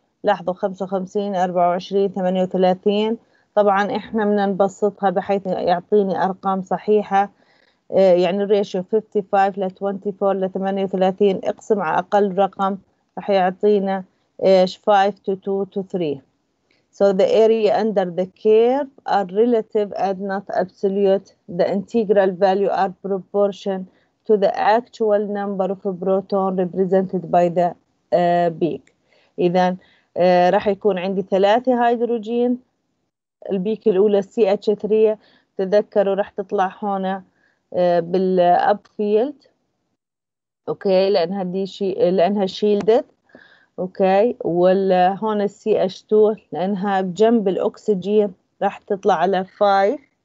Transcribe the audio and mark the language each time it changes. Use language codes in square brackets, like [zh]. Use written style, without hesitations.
[ar] لاحظوا 55 24 38، طبعا احنا بدنا نبسطها بحيث يعطيني ارقام صحيحه، يعني الريشيو 55 ل 24 ل 38 اقسم على اقل رقم راح يعطينا ايش 5 to 2 to 3. [en] So the area under the curve are relative and not absolute. The integral value are proportion to the actual number of proton represented by the peak. [ar] اذا راح يكون عندي 3 هيدروجين، البيك الاولى CH3 تذكروا راح تطلع هون بالاب فيلد. اوكي، لانها دي شيء لانها شيلدد. اوكي، وهون السي اتش 2 لانها بجنب الاكسجين راح تطلع على 5.